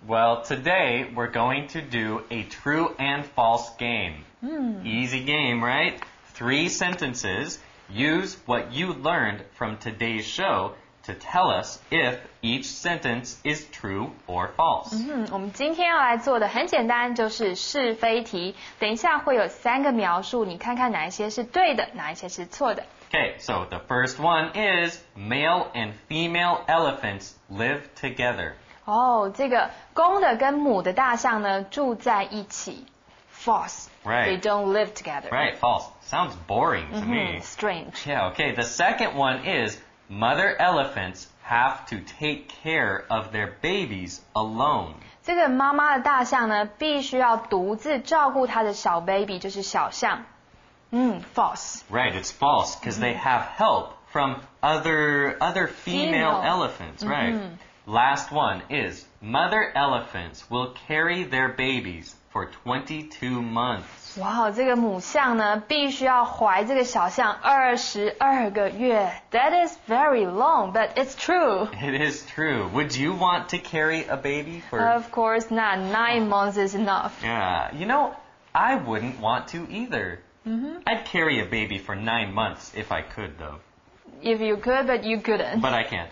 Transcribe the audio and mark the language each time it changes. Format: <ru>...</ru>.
<en>Well, today we're going to do a true and false game. Easy game, right? Three sentences. Use what you learned from today's show to tell us if each sentence is true or false.</en> <zh>我们今天要来做的很简单，就是是非题。等一下会有三个描述，你看看哪一些是对的，哪一些是错的。</zh> <en>Okay, so the first one is male and female elephants live together.</en> <zh>哦，这个公的跟母的大象呢，住在一起。</zh> <en>False. Right. They don't live together. Right. False. Sounds boring to me. Strange. Yeah. Okay. The second one is mother elephants have to take care of their babies alone.</en> <zh>这个妈妈的大象呢，必须要独自照顾她的小 baby， 就是小象。</zh> <en>False. Right. It's false because they have help from other female elephants. Right. Last one is mother elephants will carry their babies. For 22 months.</en> <zh>Wow, 这个母象呢必须要怀这个小象22个月.</zh> <en>That is very long, but it's true. It is true. Would you want to carry a baby for... Of course not. Nine months is enough. Yeah, you know, I wouldn't want to either. I'd carry a baby for 9 months if I could, though. If you could, but you couldn't. But I can't.</en>